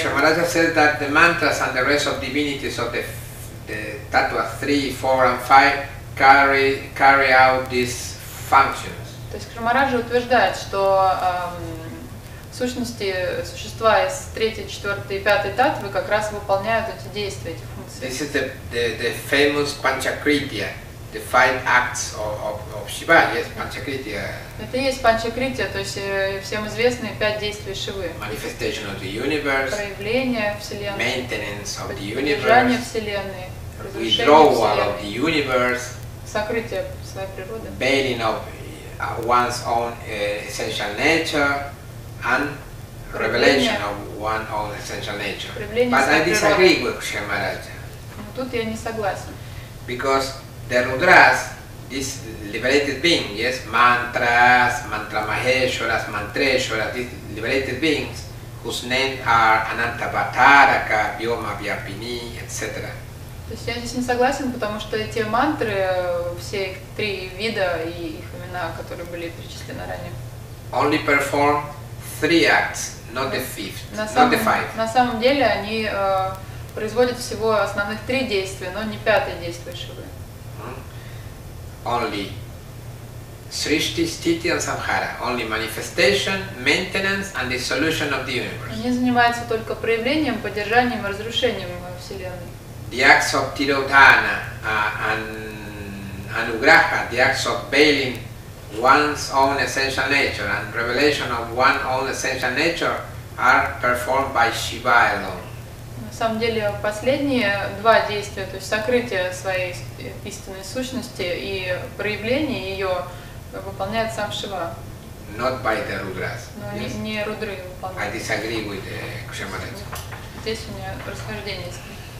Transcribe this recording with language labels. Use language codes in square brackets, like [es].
[en] Кшемараджа says that the mantras and the rest of divinities of the tattva 3, 4 and 5 carry out this function. [ru] То есть Кшемараджа утверждает, что сущности, существа из 3, 4 и 5 таттвы как раз выполняют эти действия, эти функции. [en] This is the famous Panchakritya, the five acts of Shiva, yes, Panchakritya. [ru] Это и есть Панчакритья, то есть всем известные пять действий Шивы. [en] Manifestation of the universe. [ru] Проявление Вселенной. [en] Maintenance of the universe. [ru] Поддержание Вселенной. [en] Withdrawal [ru] Вселенной, [en] of the universe. [ru] Сокрытие своей природы. [en] Bailing of one's own essential nature and revelation of one's own essential nature. But I disagree with Kshemaraja. [ru] Тут я не согласен. [en] Because the Rudras, this liberated being, yes, mantras, mantra maheshwaras, mantreshwaras, these liberated beings whose names are Anantabhataraka, Vyoma Vyapini, etc. [ru] То есть я здесь не согласен, потому что эти мантры, все их три вида и их имена, которые были перечислены ранее. [en] Only perform three acts, not the fifth, not the five. [ru] На самом деле они производят всего основных три действия, но не пятое действие Шивы. [en] Only Srishti, Sthiti and Samhara. Only manifestation, maintenance and dissolution of the universe. [ru] Они занимаются только проявлением, поддержанием и разрушением Вселенной. [en] The acts of Tirodhana and Anugraha, the acts of bailing one's own essential nature and revelation of one's own essential nature are performed by Shiva alone. [ru] На самом деле последние два действия, то есть сокрытие своей истинной сущности и проявление ее, выполняет сам Шива. [en] Not by the Rudras. [ru] Но yes. Не Рудры выполняют. [en] I disagree with Кшемараджа. [ru] Здесь у меня расхождение с ним.